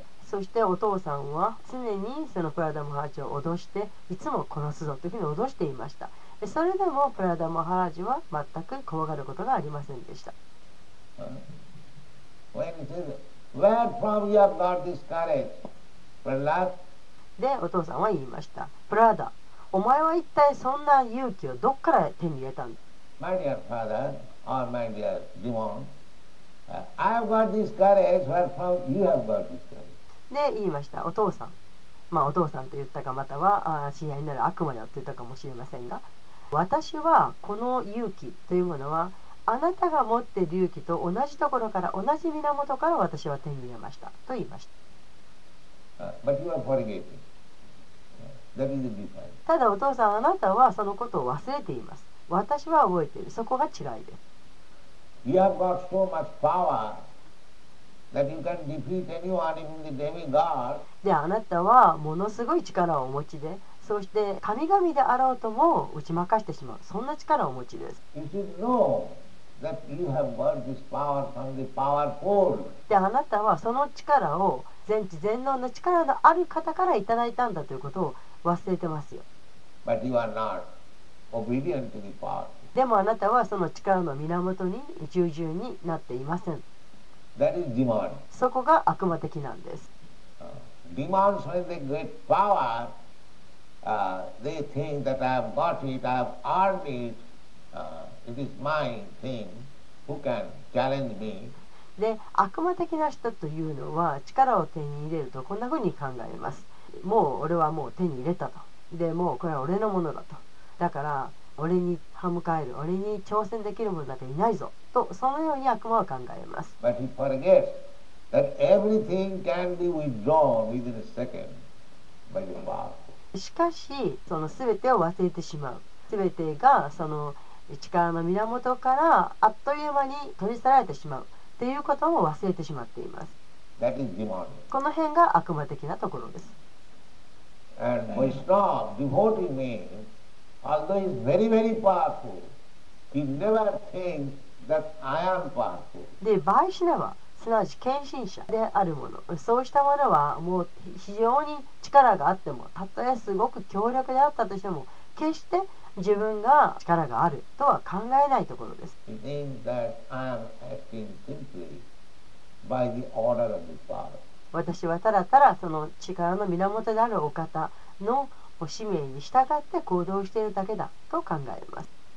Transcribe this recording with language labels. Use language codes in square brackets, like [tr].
[ja] そしてお父さんは常にそのプラダマハラジを脅して、いつも殺すぞというふうに脅していました。それでもプラダマハラジは全く怖がることがありませんでした。 [en] When he says, Where from you have got this courage, Prahlad? [ja] で、お父さんは言いました。プラダ、お前は一体そんな勇気をどっから手に入れたんだ。 [en] My dear father, or my dear demon, I have got this courage where from you have got this courage. [ja] で言いました、お父さん、まあお父さんと言ったか、または親愛なる悪魔だと言ったかもしれませんが、私はこの勇気というものはあなたが持っている勇気と同じところから、同じ源から私は手に入れましたと言いました。 [en] But you are forgetting. That is the difference. [ja] ただお父さん、あなたはそのことを忘れています。私は覚えている。そこが違いです。 [en] You have got so much powerThat you can defeat anyone, even the demigod. [ja] で、あなたはものすごい力をお持ちで、そして神々であろうとも打ち負かしてしまう、そんな力をお持ちです。 [en] You should know that you have got this power from the power pole. [ja] で、あなたはその力を全知全能の力のある方からいただいたんだということを忘れてますよ。 [en] But you are not obedient to the power. [ja] でもあなたはその力の源に従順になっていません。 [en] That is demon. [ja] そこが悪魔的なんです。 [en] Demons when they get power, they think that I have got it, I have earned it, it is my thing. Who can challenge me? [ja] で、悪魔的な人というのは力を手に入れるとこんなふうに考えます。もう俺はもう手に入れたと。で、もうこれは俺のものだと。だから俺に歯向かえる、俺に挑戦できる者だけいないぞと、そのように悪魔は考えます。 [en] But he forgets that everything can be withdrawn within a second by the power. [ja] しかし、その全てを忘れてしまう、全てがその力の源からあっという間に取り去られてしまうということも忘れてしまっています。 [en] That is demon. [ja] この辺が悪魔的なところです。 [en] And Vaishnava devotee meansAlthough he is very, very powerful, he never thinks that I am powerful. [ja] で、バイシナバ、すなわち献身者であるもの、そうしたものはもう非常に力があっても、たとえすごく強力であったとしても、決して自分が力があるとは考えないところです。 [en] He thinks that I am acting simply by the order of the power. [ja] 私はただただその力の源であるお方の使命に従って行動しているだけだと考えます。